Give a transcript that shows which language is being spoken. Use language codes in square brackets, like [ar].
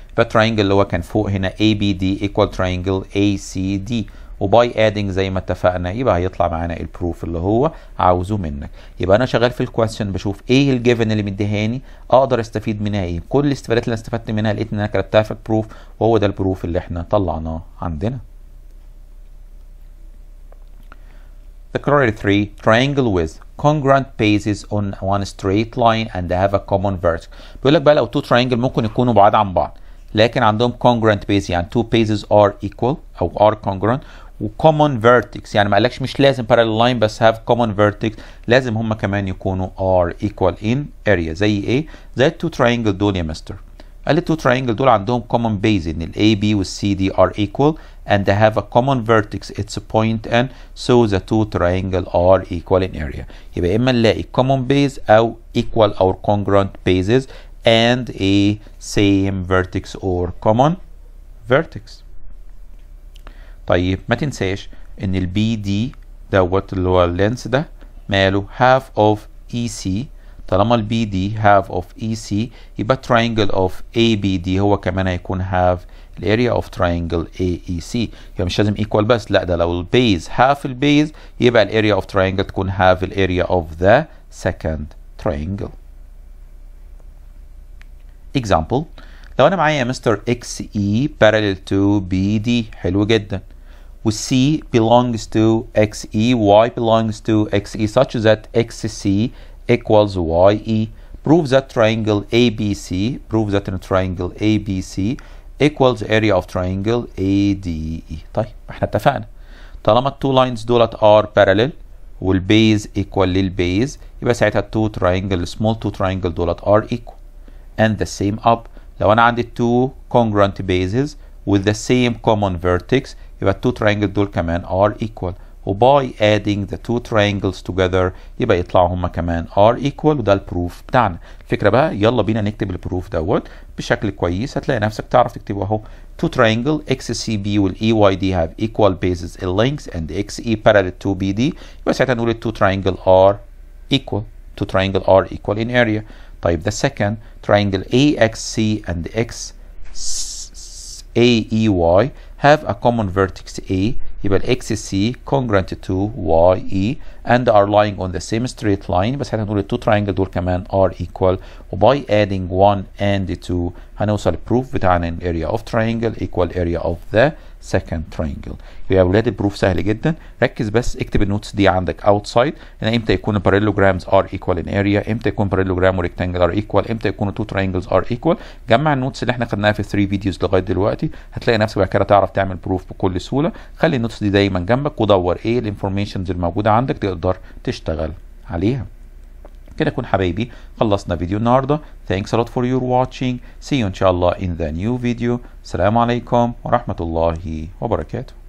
[ar] يبقى تراينجل اللي هو كان فوق هنا اي بي دي ايكوال تراينجل اي سي دي، وباي ادينج زي ما اتفقنا يبقى هيطلع معانا البروف اللي هو عاوزه منك. يبقى انا شغال في الكويشن بشوف ايه الجيفن اللي مديهاني، اقدر استفيد منها ايه. كل الاستفادات اللي استفدت منها لقيت ان انا كتبتها في البروف، وهو ده البروف اللي احنا طلعناه عندنا. [en] The corollary 3 triangle with congruent bases on one straight line and they have a common vertex. [ar] بيقول لك بقى لو تو تراينجل ممكن يكونوا بعاد عن بعض لكن عندهم congruent base، يعني [en] two bases are equal [ar] أو are congruent، وcommon vertex يعني ما قالكش مش لازم parallel line بس [en] have common vertex، [ar] لازم هما كمان يكونوا [en] are equal in area. [ar] زي ايه؟ زي two triangle دول يا مستر. قال لي [en] two triangle [ar] دول عندهم [en] common base ان الA B والC D are equal and they have a common vertex it's a point N so the two triangle are equal in area. [ar] يبقى إما نلاقي [en] common base أو equal or congruent bases and a same vertex or common vertex. [ar] طيب ما تنساش ان ال BD دوت اللي هو اللينس ده ماله half of EC. [en] طالما ال BD half of EC [ar] يبقى [en] triangle of ABD [ar] هو كمان هيكون [en] half the area of triangle AEC. [ar] يبقى مش لازم [en] equal بس، [ar] لا ده لو [en] ال base half ال base [ar] يبقى [en] ال area of triangle [ar] تكون [en] half the area of the second triangle. Example، [ar] لو انا معايا [en] mister X A parallel to B D, [ar] حلو جدا، [en] وسي belongs to X A Y belongs to X A such that X C equals Y A, prove that triangle A B C, prove that in triangle A B C equals area of triangle A D A. [ar] طيب احنا اتفقنا طالما التو لاينز دولت [en] are parallel [ar] والبيز equal للبيز، يبقى ساعتها التو تراينجل سمول تو تراينجل دولت [en] Are equal. And the same up، [ar] لو انا عندي [en] two congruent bases with the same common vertex [ar] يبقى [en] two triangles [ar] دول كمان [en] are equal، وby adding the two triangles together [ar] يبقى يطلعوا هما كمان [en] are equal، [ar] وده البروف بتاعنا. الفكرة بقى يلا بينا نكتب البروف دوت بشكل كويس، هتلاقي نفسك تعرف تكتبه اهو. [en] two triangle XCB will EYD have equal bases in length and XE parallel to BD، [ar] يبقى ساعتها نقول [en] two triangle are equal، two triangle are equal in area. طيب the second triangle AXC and XAEY have a common vertex A، [ar] يبقى [en] XC congruent to YE and are lying on the same straight line، [ar] بس هنقول [en] two triangle [ar] دول كمان [en] are equal، وby adding 1 and 2 [ar] هنوصل [en] proof [ar] بتاعنا ان [en] area of triangle equal area of the second triangle. [ar] يا اولاد البروف سهل جدا، ركز بس اكتب النوتس دي عندك اوتسايد، ان امتى يكون البارالوجرامز [en] are equal in area, [ar] امتى يكون بارالوجرام وريكتانجل ار ايكوال، امتى يكون تو تراينجلز ار ايكوال. جمع النوتس اللي احنا خدناها في 3 فيديوز لغايه دلوقتي، هتلاقي نفسك بعد كده تعرف تعمل بروف بكل سهوله. خلي النوتس دي دايما جنبك ودور ايه الانفورميشنز الموجوده عندك تقدر تشتغل عليها. كده اكون حبايبي خلصنا فيديو النهارده. [en] Thanks a lot for your watching. See you [ar] ان شاء الله [en] in the new video. [ar] السلام عليكم ورحمة الله وبركاته.